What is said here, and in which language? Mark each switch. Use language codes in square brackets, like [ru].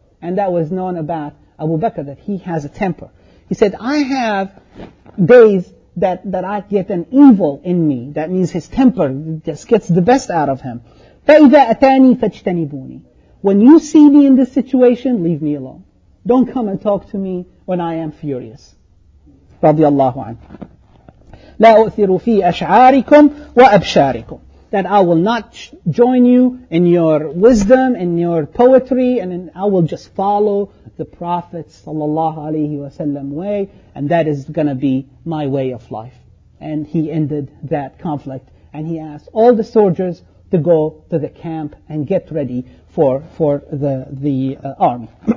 [en] And that was known about Abu Bakr, that he has a temper. He said, I have days that I get an evil in me. That means his temper just gets the best out of him. [ar] فَإِذَا أَتَانِي فَاجْتَنِبُونِي. [en] When you see me in this situation, leave me alone. Don't come and talk to me when I am furious. [ar] رضي الله عنه. لا أؤثر في أشعاركم وأبشاركم. [en] That I will not join you in your wisdom, in your poetry, and I will just follow the Prophet صلى الله عليه وسلم way, and that is going to be my way of life. And he ended that conflict, and he asked all the soldiers to go to the camp and get ready for the army.